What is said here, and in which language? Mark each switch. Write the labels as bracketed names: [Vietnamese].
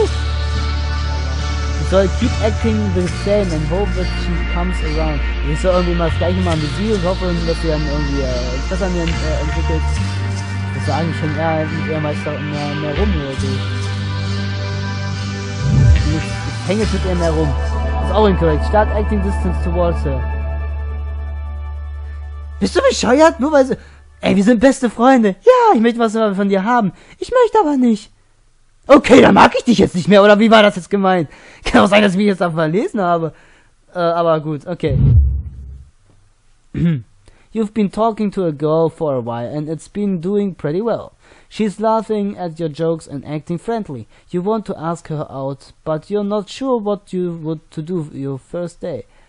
[German] Ich soll [English] keep acting the same and hope that she comes around. [German] Ich soll irgendwie mal das gleiche machen wie sie und hoffen, dass sie dann irgendwie das an mir entwickelt. Ich soll eigentlich schon eher mehr rum oder so. Ich hänge jetzt mit ihr mehr rum. Das ist auch incorrect. [English] Start acting distance towards her. [German] Bist du bescheuert? Nur weil sie... Ey, wir sind beste Freunde. Ja, ich möchte was von dir haben. Ich möchte aber nicht. Okay, dann mag ich dich jetzt nicht mehr. Oder wie war das jetzt gemeint? Kann auch sein, dass ich mich jetzt einfach verlesen habe. Aber gut, okay. [English] You've been talking to a girl for a while and it's been doing pretty well. She's laughing at your jokes and acting friendly. You want to ask her out, but you're not sure what you would to do your first day.